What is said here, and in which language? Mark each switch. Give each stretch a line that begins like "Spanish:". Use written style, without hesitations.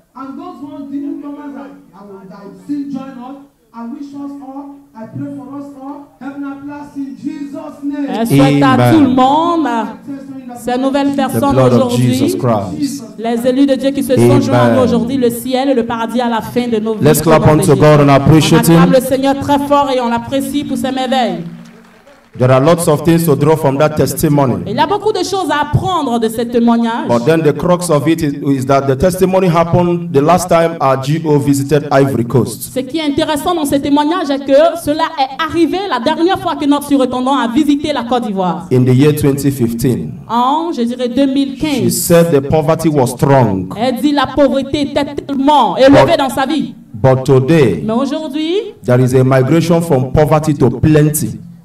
English: And those ones the new members that still join us, I wish us all, I pray for us all, heaven and blessed in Jesus' name.
French: Elle souhaite à tout le monde, ces nouvelles personnes aujourd'hui, les élus de Dieu qui se sont joints aujourd'hui, le ciel et le paradis à la fin de nos vies.
English: Let's clap unto God and appreciate Him.
French: On acclame le Seigneur très fort et on l'apprécie pour ses merveilles.
English: There are lots of things to draw from that testimony.
French: Il y a beaucoup de choses à apprendre de ce témoignage.
English: But then the crux of it is that the testimony happened the last time our GO visited Ivory Coast.
French: Ce qui est intéressant dans ce témoignage est que cela est arrivé la dernière fois que notre surintendant a visité la Côte d'Ivoire.
English: In the year 2015.
French: En, je dirais 2015.
English: She said the poverty was strong.
French: Elle dit la pauvreté était tellement élevée dans sa vie.
English: But today.
French: Mais aujourd'hui.
English: There is a migration from poverty to plenty.